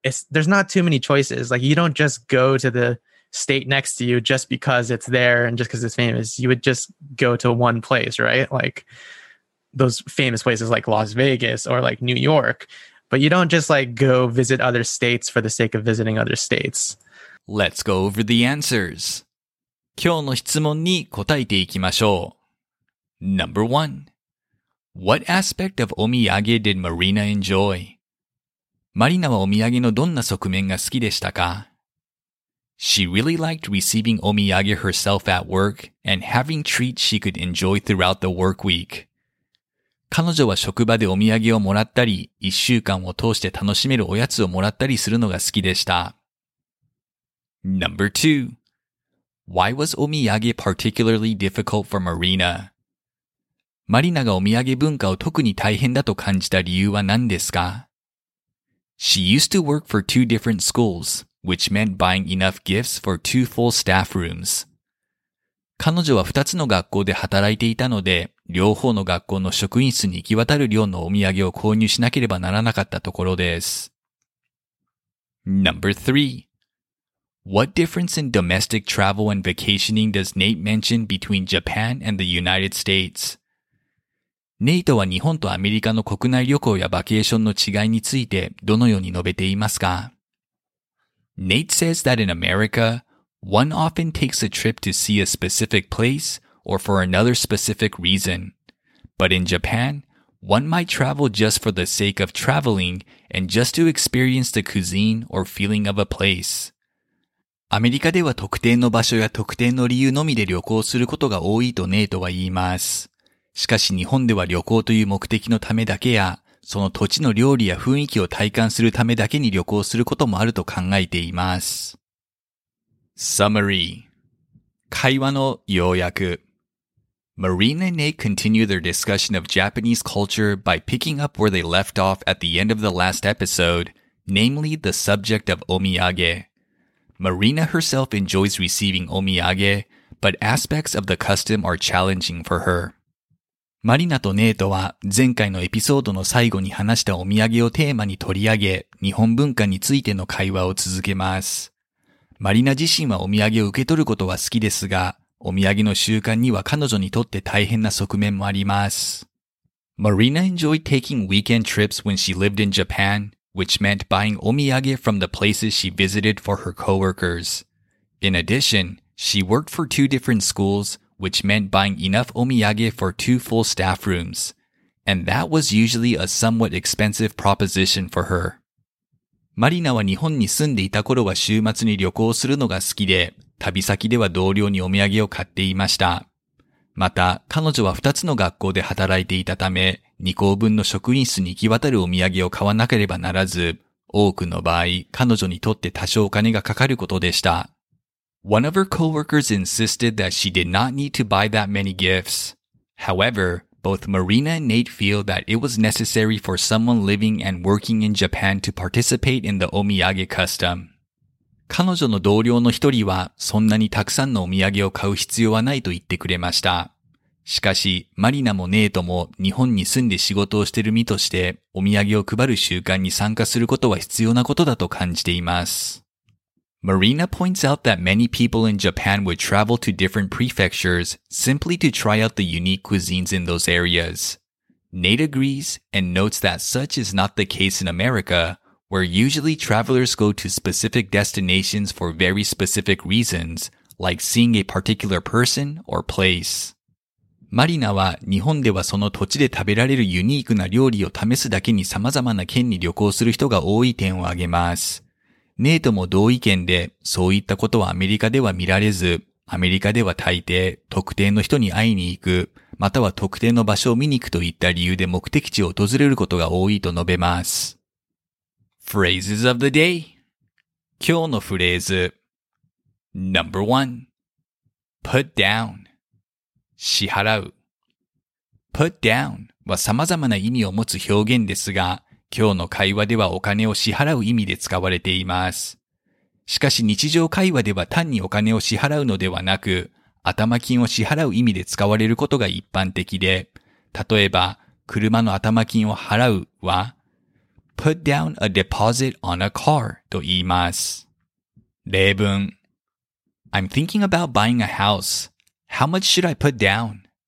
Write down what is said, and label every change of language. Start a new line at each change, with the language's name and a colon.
English: There's not too many choices. Like you don't just go to the state next to you just because it's there and just because it's famous. You would just go to one place, right? Like those famous places like Las Vegas or like New York. But you don't just like go visit other states for the sake of visiting other states. Let's go over the answers.
Japanese: 今日の質問に答えていきましょう。
English: Number one. What aspect of omiyage did Marina enjoy?
Japanese: マリナはお土産のどんな側面が好きでしたか?
English: She really liked receiving omiyage herself at work and having treats she could enjoy throughout the work week.
Japanese: 彼女は職場でお土産をもらったり、一週間を通して楽しめるおやつをもらったりするのが好きでした。
English: Number two. Why was omiyage particularly difficult for Marina?
Japanese: マリナがお土産文化を特に大変だと感じた理由は何ですか?
English: She used to work for two different schools, which meant buying enough gifts for two full staff rooms.
Japanese: 彼女は二つの学校で働いていたので、両方の学校の職員室に行き渡る量のお土産を購入しなければならなかったところです。
English: Number three. What difference in domestic travel and vacationing does Nate mention between Japan and the United States?
Japanese: ネイトは日本とアメリカの国内旅行やバケーションの違いについてどのように述べていますか?
English: Nate says that in America, one often takes a trip to see a specific place,or for another specific reason. But in Japan, one might travel just for the sake of traveling and just to experience the cuisine or feeling of a place.
Japanese: アメリカでは特定の場所や特定の理由のみで旅行することが多いとネイトは言います。しかし日本では旅行という目的のためだけや、その土地の料理や雰囲気を体感するためだけに旅行することもあると考えています。
English: Summary
Japanese: 会話の要約
English: Marina and Nate continue their discussion of Japanese culture by picking up where they left off at the end of the last episode, namely the subject of omiyage. Marina herself enjoys receiving omiyage, but aspects of the custom are challenging for her.
Japanese: Marina とネイトは前回のエピソードの最後に話したお土産をテーマに取り上げ、日本文化についての会話を続けます。 Marina 自身はお土産を受け取ることは好きですが、お土産の習慣には彼女にとって大変な側面もあります。
English: Marina enjoyed taking weekend trips when she lived in Japan, which meant buying omiyage from the places she visited for her coworkers. In addition, she worked for two different schools, which meant buying enough omiyage for two full staff rooms. And that was usually a somewhat expensive proposition for her.
Japanese: Marina は日本に住んでいた頃は週末に旅行するのが好きで、旅先では同僚にお土産を買っていました。また、彼女は2つの学校で働いていたため、2校分の職員室に行き渡るお土産を買わなければならず、多くの場合、彼女にとって多少お金がかかることでした。
English: One of her coworkers insisted that she did not need to buy that many gifts. However, both Marina and Nate feel that it was necessary for someone living and working in Japan to participate in the omiyage custom.
Japanese: 彼女の同僚の一人は、そんなにたくさんのお土産を買う必要はないと言ってくれました。しかし、マリナもネイトも日本に住んで仕事をしている身として、お土産を配る習慣に参加することは必要なことだと感じています。
English: Marina points out that many people in Japan would travel to different prefectures simply to try out the unique cuisines in those areas. Nate agrees and notes that such is not the case in America,where usually travelers go to specific destinations for very specific reasons, like seeing a particular person or place.
Japanese: マリナは日本ではその土地で食べられるユニークな料理を試すだけに様々な県に旅行する人が多い点を挙げます。ネイトも同意見で、そういったことはアメリカでは見られず、アメリカでは大抵特定の人に会いに行く、または特定の場所を見に行くといった理由で目的地を訪れることが多いと述べます。
English: Phrases of the day.
Japanese: 今日のフレーズ
English: Number one. Put down.
Japanese: 支払う Put down は様々な意味を持つ表現ですが、今日の会話ではお金を支払う意味で使われています。しかし日常会話では単にお金を支払うのではなく、頭金を支払う意味で使われることが一般的で、例えば、車の頭金を払うは、
English: Put down a deposit on a car
Japanese: と言います。
English: 例文 I'm thinking about buying a house. How much should I put down?